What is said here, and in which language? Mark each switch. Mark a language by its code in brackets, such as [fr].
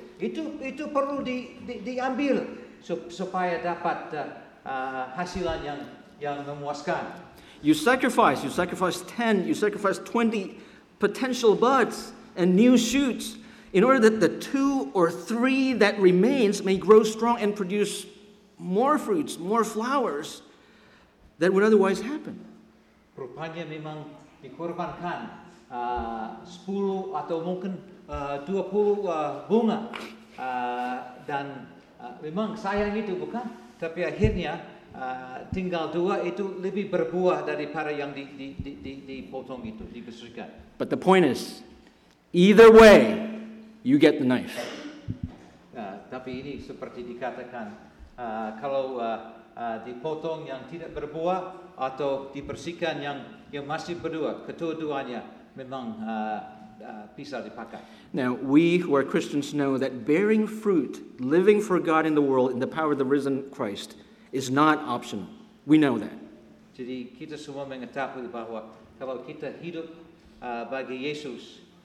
[id] Itu perlu diambil supaya dapat hasilan yang memuaskan. [en] You sacrifice 10, you sacrifice 20 potential buds and new shoots in order that the two or three that remains may grow strong and produce more fruits, more flowers that would otherwise happen. [id] Rupanya memang dikorbankan 10 atau mungkin 20 bunga dan memang sayang itu bukan, tapi akhirnya tinggal dua itu lebih berbuah daripada yang dipotong itu, dibesarkan. [en] But the point is, either way, you get the knife. [id] Tapi ini seperti dikatakan, kalau dipotong yang tidak berbuah atau dibersihkan yang masih berbuah, kedua-duanya memang bisa dipakai. [en] Now, we who are Christians know that bearing fruit, living for God in the world in the power of the risen Christ, is not optional. We know that. [id] Jadi kita semua mengetahui bahwa kalau kita hidup bagi Yesus,